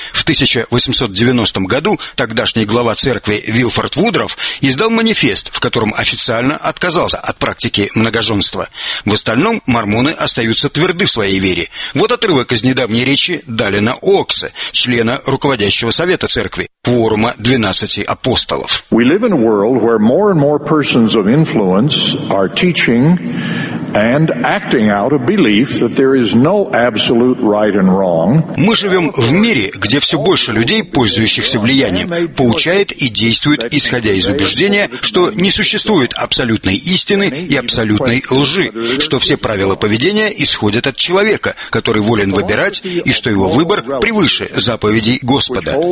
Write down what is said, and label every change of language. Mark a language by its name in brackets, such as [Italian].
[Russian] В 1890 году тогдашний глава церкви Вилфорд Вудроф издал манифест, в котором официально отказался от практики многоженства. В остальном мормоны остаются тверды в своей вере. Вот отрывок из недавней речи Далина Окса, члена руководящего совета церкви, кворума 12 апостолов. [English] We live in a world where more and more persons of influence are teaching and acting out a belief that there is no absolute right and wrong. [Russian] Мы живем в мире, где все больше людей, пользующихся влиянием, поучает и действует, исходя из убеждения, что не существует абсолютной истины и абсолютной лжи, что все правила поведения исходят от человека, который волен выбирать, и что его выбор превыше заповедей Господа.